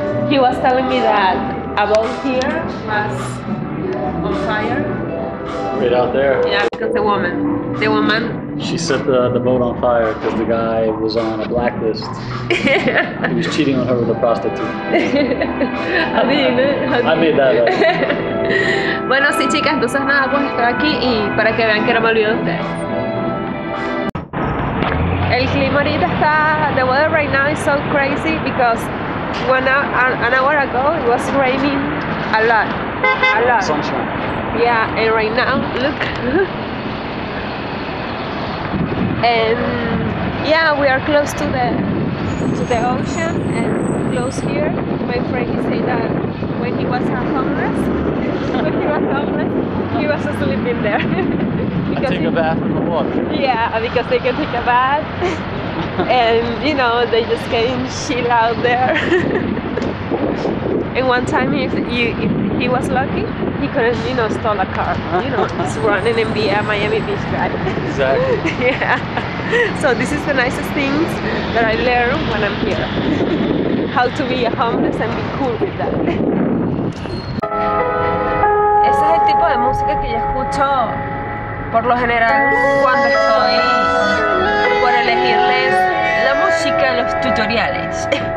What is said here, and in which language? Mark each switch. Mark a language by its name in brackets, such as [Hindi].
[English] He was telling me that about here was on fire. Right out there. Yeah, because the woman. The woman. She set the boat on fire because the guy was on a blacklist. He was cheating on her with a prostitute. I made that up. [Spanish] Bueno, sí, chicas, entonces nada, pues estoy aquí y para que vean que no me olvido de ustedes. El clima ahorita está. [English] The weather right now is so crazy because an hour ago it was raining a lot. A lot. Sunshine. Yeah, and right now, look. And yeah, we are close to the ocean and close here. My friend said that when he was homeless. He was asleep in there. Because I take a bath in the water. Yeah, because they can take a bath. And you know, they just can chill out there. And one time if he was lucky, he couldn't, you know, steal a car. You know, just running and be a Miami Beach guy. Exactly. Yeah. So this is the nicest things that I learn when I'm here. How to be a homeless and be cool with that. [Spanish] De música que yo escucho por lo general cuando estoy por elegirles la música de los tutoriales.